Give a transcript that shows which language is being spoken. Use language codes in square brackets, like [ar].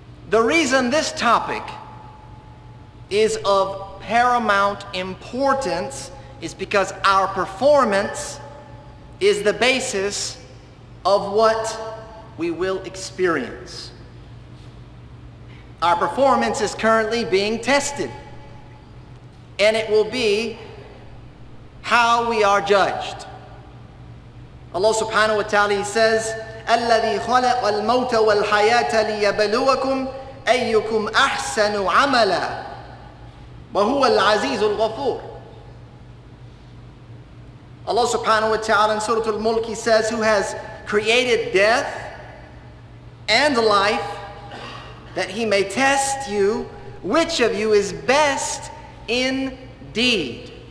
[en] The reason this topic is of paramount importance is because our performance is the basis of what we will experience. Our performance is currently being tested, and it will be how we are judged. Allah subhanahu wa ta'ala says, [ar] الَّذِي خَلَقَ الْمَوْتَ وَالْحَيَاةَ لِيَبَلُوَكُمْ أَيُّكُمْ أَحْسَنُ عَمَلًا وَهُوَ الْعَزِيزُ الْغَفُورِ. [en] Allah subhanahu wa ta'ala in Surah Al-Mulk, He says, who has created death and life that He may test you, which of you is best in deed.